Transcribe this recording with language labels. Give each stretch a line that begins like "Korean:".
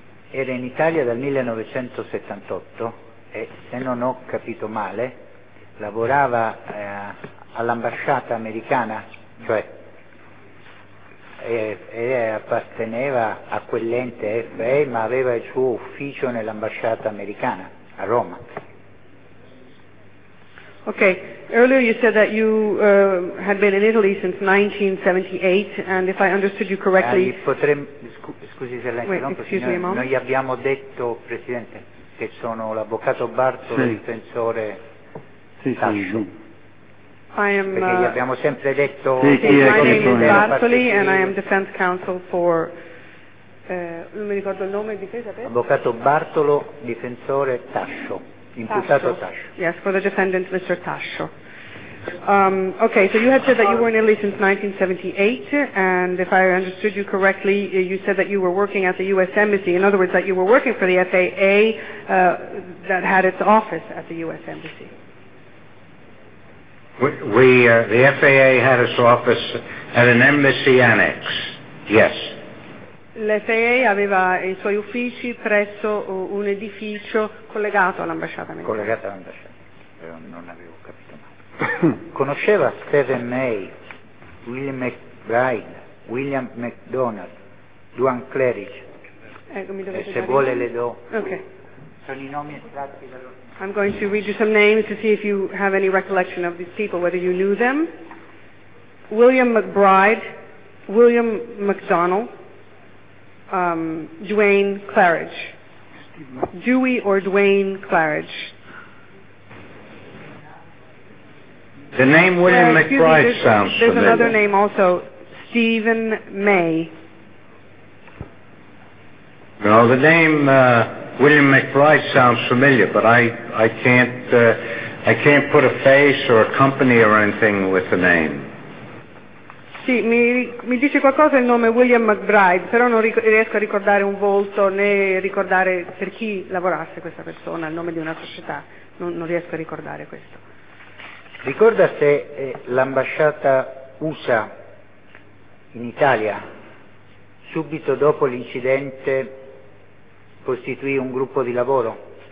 Italian: Era in Italia dal 1978 e se non ho capito male lavorava all'ambasciata americana, cioè e apparteneva a quell'ente FA, ma aveva il suo ufficio nell'ambasciata americana a Roma.
English: Okay, earlier you said that you had been in Italy since 1978, and if I understood you correctly...
Italian: Scusi se la interrompo, noi abbiamo detto, Presidente, che sono l'avvocato Bartolo, sì. Difensore sì, Tascio. Sì, sì. Perché gli abbiamo sempre detto... Sì,
English: my name is Bartoli, and I am defense counsel for...
Italian: non mi ricordo il nome, difesa per... Avvocato Bartolo, difensore Tascio.
English: Tascio. Yes, for the defendant, Mr. Tascio. Okay, so you had said that you were in Italy since 1978, and if I understood you correctly, you said that you were working at the U.S. Embassy, in other words, that you were working for the FAA that had its office at the U.S. Embassy. The FAA had its office at an embassy annex, yes.
Italian: L'FAA aveva i suoi uffici presso un edificio collegato all'ambasciata americana. Collegato all'ambasciata, però non avevo capito male. Conosceva Stephen May, William McBride, William McDonald, Duane Claridge. Se vuole le do.
English: Okay.
Italian: Sono i nomi estratti da loro.
English: I'm going to read you some names to see if you have any recollection of these people, whether you knew them. William McBride, William McDonald. Duane Claridge. Dewey or Duane Claridge? The name William McBride sounds familiar. There's another name also, Stephen May. No, the name William McBride sounds familiar, but I can't put a face or a company or anything with the name.
Italian: Sì, mi dice qualcosa il nome William McBride, però non riesco a ricordare un volto né ricordare per chi lavorasse questa persona, il nome di una società, non riesco a ricordare questo. Ricorda se l'ambasciata USA in Italia, subito dopo l'incidente, costituì un gruppo di lavoro?